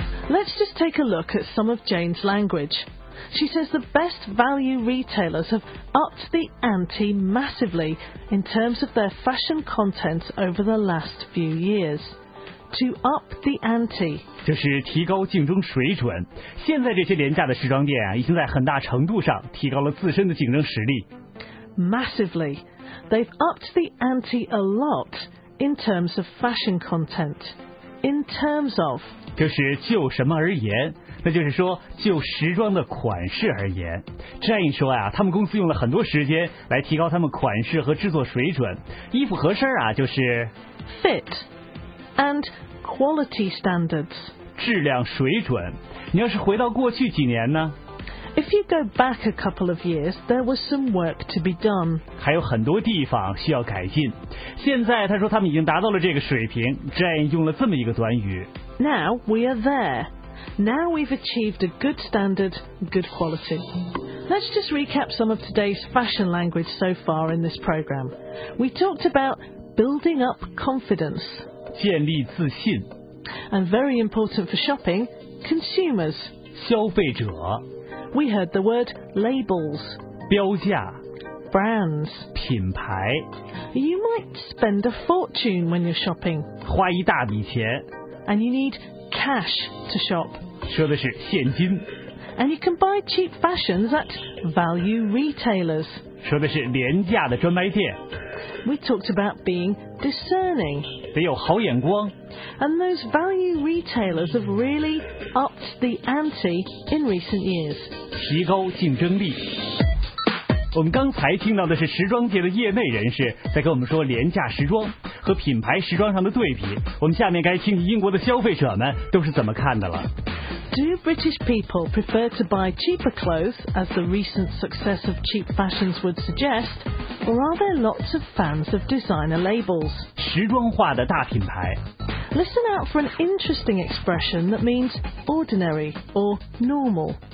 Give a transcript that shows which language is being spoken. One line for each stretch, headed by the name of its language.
English: Let's just take a look at some of Jane's language. She says the best value retailers have upped the ante massively in terms of their fashion content over the last few years. To up the ante.
Chinese: 就是提高竞争水准。现在这些廉价的时装店啊，已经在很大程度上提高了自身的竞争实力。
English: Massively. They've upped the ante a lot in terms of fashion content. In terms of.
Chinese: 就是就什么而言。那就是说就时装的款式而言 Jane 说啊他们公司用了很多时间来提高他们款式和制作水准衣服合身啊就是
English: Fit and quality standards
Chinese: 质量水准你要是回到过去几年呢
English: If you go back a couple of years there was some work to be done
Chinese: 还有很多地方需要改进现在他说他们已经达到了这个水平 Jane 用了这么一个短语
English: Now we are thereNow we've achieved a good standard, good quality. Let's just recap some of today's fashion language so far in this program. We talked about building up confidence.
Chinese: 建立自信。
English: And very important for shopping, consumers.
Chinese: 消费者。
English: We heard the word labels.
Chinese: 标价。
English: Brands.
Chinese: 品牌。
English: You might spend a fortune when you're shopping.
Chinese: 花一大笔钱。
English: And you need... Cash to shop.
Chinese: 说的是现金。
English: And you can buy cheap fashions at value retailers.
Chinese: 说的是廉价的专卖店。
English: We talked about being discerning.
Chinese: 得有好眼光。
English: And those value retailers have really upped the ante in recent years.
Chinese: 提高竞争力。我们刚才听到的是时装界的业内人士在跟我们说廉价时装和品牌时装上的对比。我们下面该听英国的消费者们都是怎么看的了。
English: Do British people prefer to buy cheaper clothes, as the recent success of cheap fashions would suggest, or are there lots of fans of designer labels?
Chinese: 时装化的大品牌。
English: Listen out for an interesting expression that means ordinary or normal.